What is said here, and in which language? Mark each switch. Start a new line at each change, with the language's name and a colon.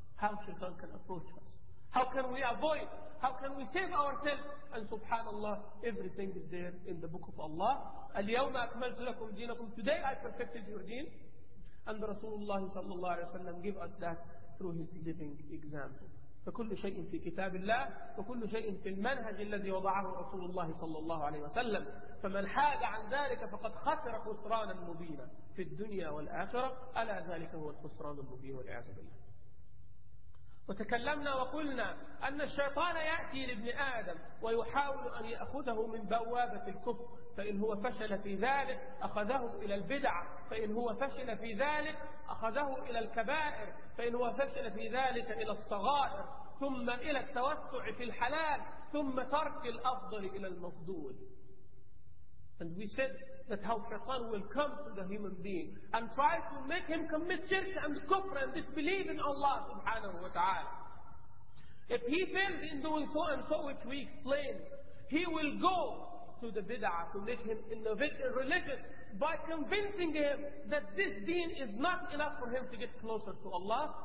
English: How shaitan can approach us. How can we avoid? How can we save ourselves? And subhanAllah, everything is there in the book of Allah.
Arabic: Al-yawma akmaltu lakum deenakum.
English: Today I perfected your deen. And Rasulullah sallallahu alayhi wa sallam give us that through his living example.
Arabic: فكل شيء في كتاب الله وكل شيء في المنهج الذي وضعه رسول الله صلى الله عليه وسلم فمن حاد عن ذلك فقد خسر خسرانا مبينا في الدنيا والآخرة ألا ذلك هو الخسران المبين والعياذ بالله. وتكلمنا وقلنا أن الشيطان يأتي لابن آدم ويحاول أن يأخذه من بوابة الكفر، فإن هو فشل في ذلك أخذه إلى البدع، فإن هو فشل في ذلك أخذه إلى الكبائر، فإن هو فشل في ذلك إلى الصغائر، ثم إلى التوسع في الحلال، ثم ترك الأفضل إلى المفضول.
English: And we said that how Shaitan will come to the human being and try to make him commit shirk and kufr and disbelief in Allah subhanahu wa ta'ala. If he fails in doing so and so, which we explained, he will go to the bid'ah to make him innovate in religion by convincing him that this deen is not enough for him to get closer to Allah.